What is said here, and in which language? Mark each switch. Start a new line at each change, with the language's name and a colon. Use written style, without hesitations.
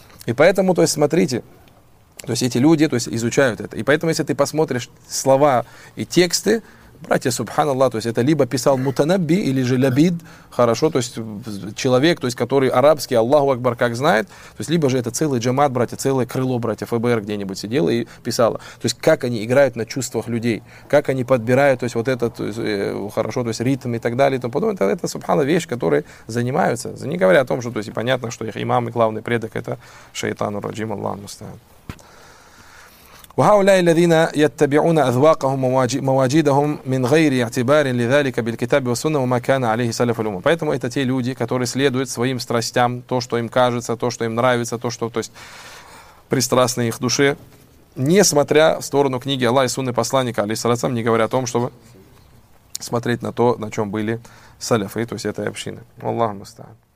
Russian: И поэтому, то есть, смотрите, то есть, эти люди, то есть, изучают это. И поэтому, если ты посмотришь слова и тексты, братья, субханаллах, то есть это либо писал мутанабби, или же лабид, хорошо, то есть человек, то есть который арабский, Аллаху Акбар, как знает, то есть либо же это целый джамат, братья, целое крыло, братья, ФБР где-нибудь сидело и писало. То есть как они играют на чувствах людей, как они подбирают, то есть вот этот, то есть, хорошо, то есть ритм и так далее, и тому подобное, это субханаллах, вещь, которой занимаются, не говоря о том, что, то есть, понятно, что их имам и главный предок, это шайтану раджим, Аллах мустан.
Arabic: وهؤلاء الذين يتبعون أذواقهم مواجدهم من غير اعتبار لذلك بالكتاب والسنة وما كان عليه سلف الأمة.
Russian: Поэтому это те люди, которые следуют своим страстям, то, что им кажется, то, что им нравится, то, что, то есть, пристрастны их душе, несмотря в сторону книги Аллаха и Сунны Посланника, алейхиссалям, не говоря о том, чтобы смотреть на то, на чем были салифы, то есть этой общины. Аллаху мустаан.